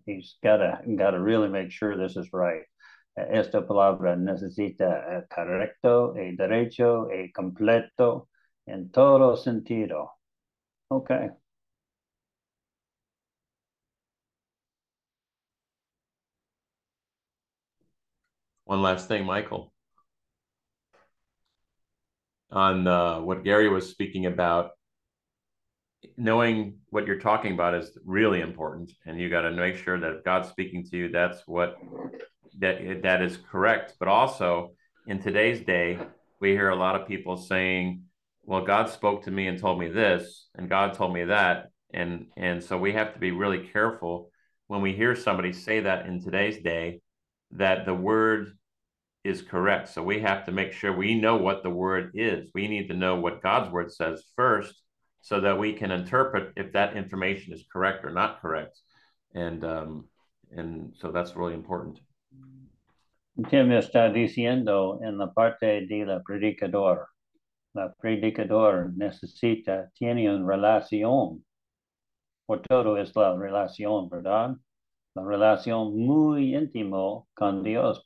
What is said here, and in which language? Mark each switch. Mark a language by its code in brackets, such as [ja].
[en] He's gotta really make sure this is right. [es] Esta palabra necesita correcto, y derecho, y completo, en todo sentido. [en] Okay. One last thing, Michael. On what Gary was speaking about, knowing what you're talking about is really important, and you got to make sure that if God's speaking to you, that's what that is correct. But also in today's day, we hear a lot of people saying, well, God spoke to me and told me this, and God told me that. And so we have to be really careful when we hear somebody say that in today's day, that the word is correct. So we have to make sure we know what the word is. We need to know what God's word says first, so that we can interpret if that information is correct or not correct. And so that's really important. [es] Tim está diciendo en la parte de la predicador. La predicador necesita, tiene una relación. Por todo es la relación, ¿verdad? La relación muy íntimo con Dios.